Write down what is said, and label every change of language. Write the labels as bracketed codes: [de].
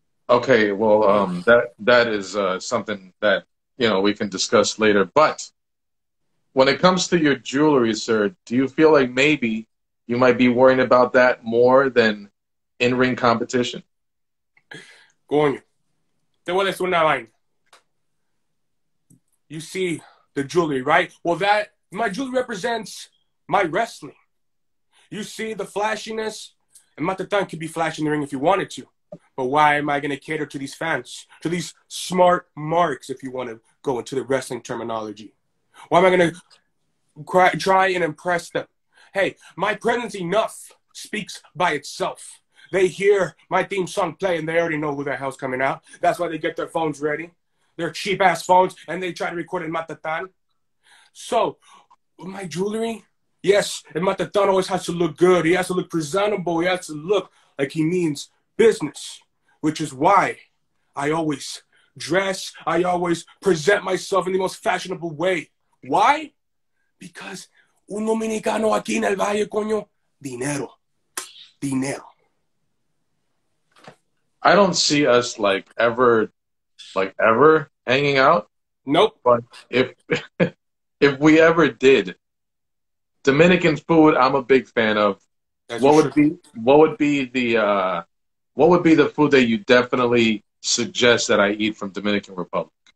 [en] Okay, well, that is something that, you know, we can discuss later. But when it comes to your jewelry, sir, do you feel like maybe you might be worrying about that more than in-ring competition? [es] Coño, te voy a decir una vaina. [en] You see the jewelry, right? Well, that my jewelry represents my wrestling. You see the flashiness? And Matatán could be flashy in the ring if you wanted to. But why am I going to cater to these fans, to these smart marks, if you want to go into the wrestling terminology? Why am I going to try and impress them? Hey, my presence enough speaks by itself. They hear my theme song play, and they already know who the hell's coming out. That's why they get their phones ready, their cheap-ass phones, and they try to record El Matatán. So, my jewelry, yes, El Matatán always has to look good. He has to look presentable. He has to look like he means business, which is why I always dress. I always present myself in the most fashionable way. Why? [es] Because un dominicano aquí en el Valle, coño, dinero. Dinero. [en] I don't see us ever hanging out. Nope. But if we ever did, Dominican food, I'm a big fan of. What would be the food that you definitely suggest that I eat from Dominican Republic?